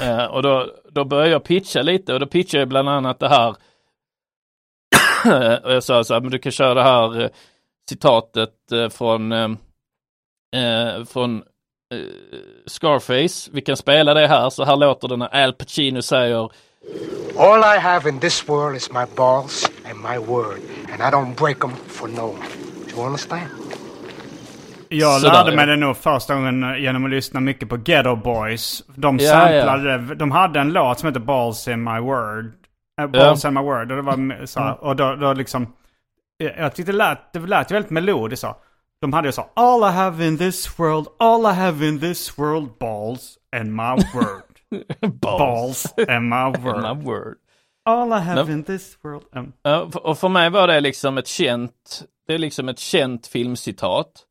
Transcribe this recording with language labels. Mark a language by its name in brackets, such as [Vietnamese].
[Swedish] Och då började jag pitcha lite, och då pitchade jag bland annat det här. Och jag sa så här, men du kan köra det här citatet från Scarface. Vi kan spela det här, så här låter det när Al Pacino säger: [English] All I have in this world is my balls and my word, and I don't break them for no one. Do you understand? [Swedish] Jag sådär, lärde mig det nog första gången genom att lyssna mycket på Ghetto Boys. De samplade, de hade en låt som heter Balls in My Word. Balls in My Word. Och det var så här, och då liksom, jag tyckte det lät väldigt melodiskt. Så. De hade ju så, [English] All I have in this world, all I have in this world, balls in my word. Balls in my word. My word. All I have in this world. [Swedish] Och för mig var det liksom ett känt, det är liksom ett känt filmcitat.